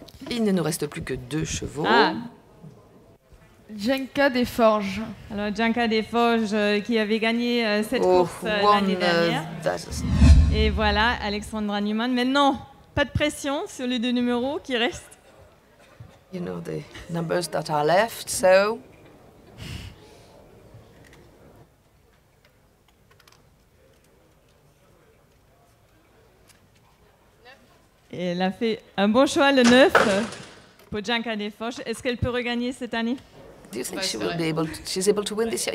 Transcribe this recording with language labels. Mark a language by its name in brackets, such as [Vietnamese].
[French] Il ne nous reste plus que deux chevaux. Janka des Forges. Alors Janka des Forges qui avait gagné cette course l'année dernière. Et voilà, Alexandra Newman. Maintenant, pas de pression sur les deux numéros qui restent. [English] You know the numbers that are left, so... [French] Et elle a fait un bon choix, le 9, pour Janka des Forges. Est-ce qu'elle peut regagner cette année? [English] Do you think she will be able to, she's able to win this year?